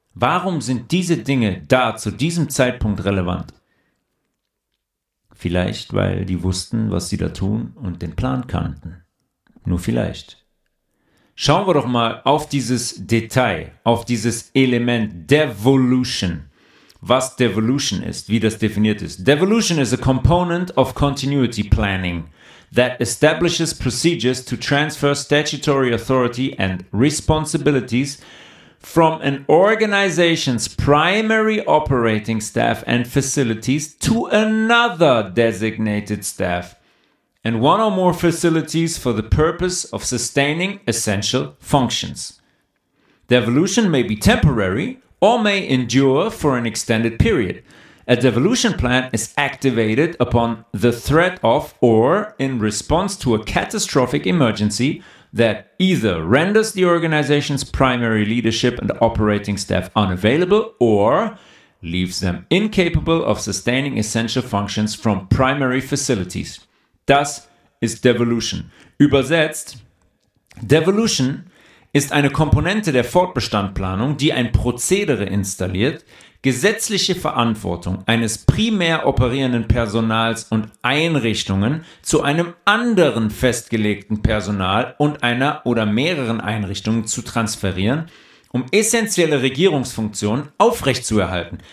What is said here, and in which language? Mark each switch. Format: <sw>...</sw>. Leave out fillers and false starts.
<de>Warum sind diese Dinge da zu diesem Zeitpunkt relevant? Vielleicht, weil die wussten, was sie da tun und den Plan kannten. Nur vielleicht. Schauen wir doch mal auf dieses Detail, auf dieses Element Devolution. Was Devolution ist, wie das definiert ist.</de> <en>Devolution is a component of continuity planning that establishes procedures to transfer statutory authority and responsibilities from an organization's primary operating staff and facilities to another designated staff and one or more facilities for the purpose of sustaining essential functions. Devolution may be temporary or may endure for an extended period. A devolution plan is activated upon the threat of or in response to a catastrophic emergency that either renders the organization's primary leadership and operating staff unavailable or leaves them incapable of sustaining essential functions from primary facilities.</en> <de>Das ist Devolution. Übersetzt, Devolution ist eine Komponente der Fortbestandplanung, die ein Prozedere installiert, gesetzliche Verantwortung eines primär operierenden Personals und Einrichtungen zu einem anderen festgelegten Personal und einer oder mehreren Einrichtungen zu transferieren, um essentielle Regierungsfunktionen aufrechtzuerhalten.</de>